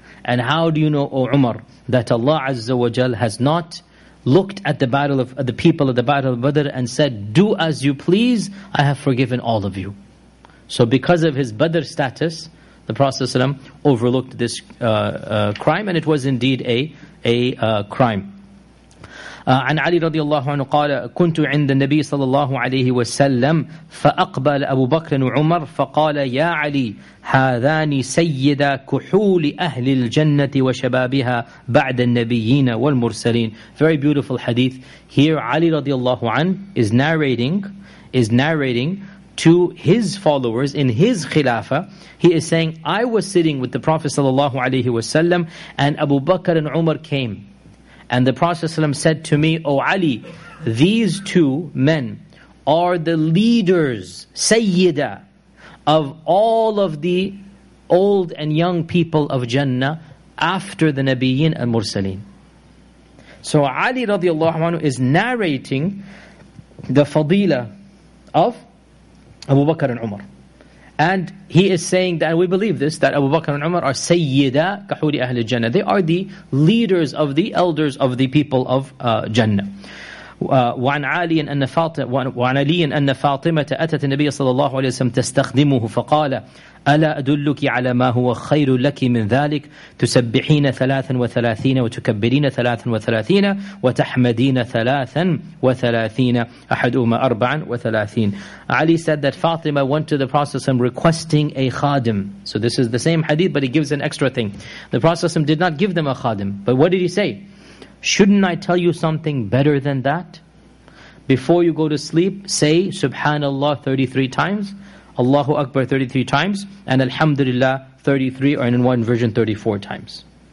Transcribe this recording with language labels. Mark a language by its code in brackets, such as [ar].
[en] And how do you know, O Umar, that Allah Azza wa Jal has not looked at the battle of the people of the battle of Badr and said, do as you please, I have forgiven all of you. So because of his Badr status, the Prophet ﷺ overlooked this crime, and it was indeed a crime. [ar] عن علي رضي الله عنه قال كنت عند النبي صلى الله عليه وسلم فأقبل أبو بكر وعمر فقال يا علي هذان سيدا كحول أهل الجنة وشبابها بعد النبيين والمرسلين. [en] Very beautiful hadith. Here Ali [ar] رضي الله عنه [en] is narrating to his followers in his khilafah. He is saying, I was sitting with the Prophet [ar] صلى الله عليه وسلم [en] and Abu Bakr and Umar came. And the Prophet ﷺ said to me, O Ali, these two men are the leaders, Sayyida, of all of the old and young people of Jannah after the Nabiyyin and Mursaleen. So Ali radiallahu anhu is narrating the fadila of Abu Bakr and Umar. And he is saying that, and we believe this, that Abu Bakr and Umar are [ar] Sayyida Kahudi Ahlul Jannah. [en] They are the leaders of the elders of the people of Jannah. [ar] وعن علي أن فاطمة وعن علي أن فاطمة أتت النبي صلى الله عليه وسلم تستخدمه فقال ألا أدلك على ما هو خير لك من ذلك تسبحين 33 وتكبرين 33 وتحمدين 33 أحدهما 34. [en] Ali said that Fatima went to the Prophet ﷺ requesting a khadim. So this is the same hadith, but he gives an extra thing. The Prophet ﷺ did not give them a khadim, but what did he say? Shouldn't I tell you something better than that? Before you go to sleep, say Subhanallah 33 times, Allahu Akbar 33 times, and Alhamdulillah 33, or in one version 34 times.